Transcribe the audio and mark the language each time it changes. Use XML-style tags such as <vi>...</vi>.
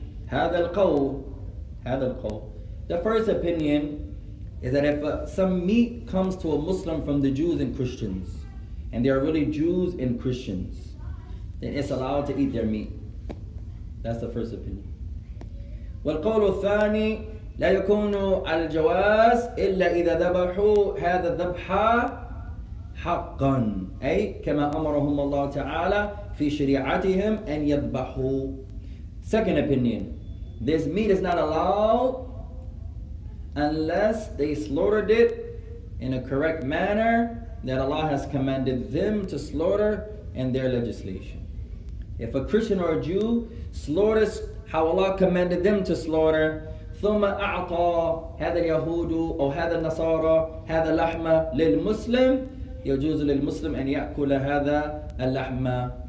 <ar>هذا القول. هذا القول.</ar> <en>The first opinion is that if some meat comes to a Muslim from the Jews and Christians, and they are really Jews and Christians, then it's allowed to eat their meat. That's the first opinion.</en> <ar>والقول الثاني لا يكون على الجواز إلا إذا ذبحوا هذا الذبح حقا أي كما أمرهم الله تعالى في شريعتهم أن يذبحوا.</ar> <en>Second opinion, this meat is not allowed unless they slaughtered it in a correct manner that Allah has commanded them to slaughter in their legislation. If a Christian or a Jew slaughters how Allah commanded them to slaughter,</en> <ar>ثُمَّ أَعْطَى هَذَا الْيَهُودُ أَوْ هَذَا النَّصَارَى هَذَا لَحْمَ لِلْمُسْلِمِ يَجُوزُ لِلْمُسْلِمِ أَنْ يَأْكُلَ هَذَا اللَّحْمَ.</ar>